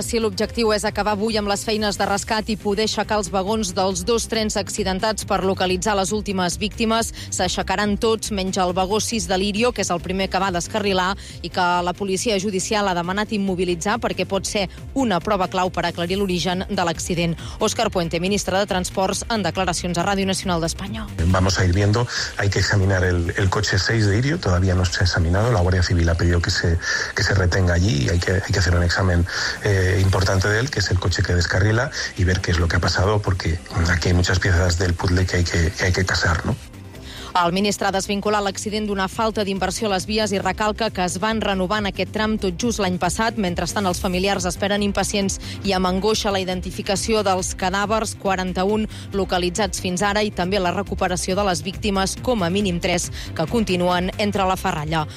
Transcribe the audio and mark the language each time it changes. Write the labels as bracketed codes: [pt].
[ca] Sí, l'objectiu és acabar avui amb les feines de rescat i poder aixecar els vagons dels dos trens accidentats per localitzar les últimes víctimes. S'aixecaran tots, menys el vagó 6 de l'Irio, que és el primer que va descarrilar i que la policia judicial ha demanat immobilitzar perquè pot ser una prova clau per aclarir l'origen de l'accident. Òscar Puente, ministre de Transports, en declaracions a Ràdio Nacional d'Espanya. [es] Vamos a ir viendo. Hay que examinar el coche 6 de Irio. Todavía no se ha examinado. La Guardia Civil ha pedido que se retenga allí y hay que hacer un examen importante de él, que es el coche que descarrila, y ver qué es lo que ha pasado, porque aquí hay muchas piezas del puzzle que hay que casar, ¿no? [ca] El ministre ha desvinculat l'accident d'una falta d'inversió a les vies i recalca que es van renovant aquest tram tot just l'any passat. Mentrestant, els familiars esperen impacients i amb angoixa la identificació dels cadàvers, 41 localitzats fins ara, i també la recuperació de les víctimes, com a mínim 3, que continuen entre la ferralla.